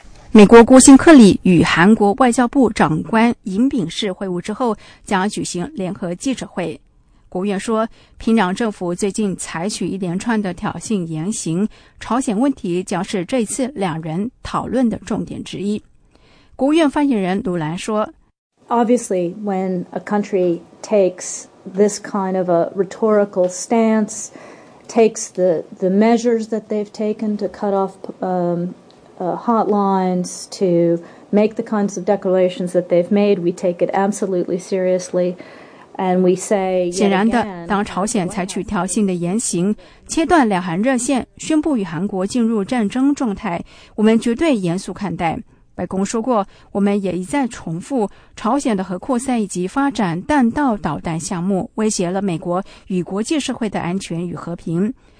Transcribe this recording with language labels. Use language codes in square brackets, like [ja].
[zh] 美国国务卿克里与韩国外交部长官尹炳世会晤之后将举行联合记者会。国务院说，平壤政府最近采取一连串的挑衅言行，朝鲜问题将是这次两人讨论的重点之一。国务院发言人鲁兰说， [en] Obviously, when a country takes this kind of a rhetorical stance, takes the measures that they've taken to cut off hotlines, to make the kinds of declarations that they've made, we take it absolutely seriously. And we say, [zh] 显然的，当朝鲜采取挑衅的言行，切断两韩热线，宣布与韩国进入战争状态，我们绝对严肃看待。白宫说过，我们也一再重复，朝鲜的核扩散以及发展弹道导弹项目威胁了美国与国际社会的安全与和平。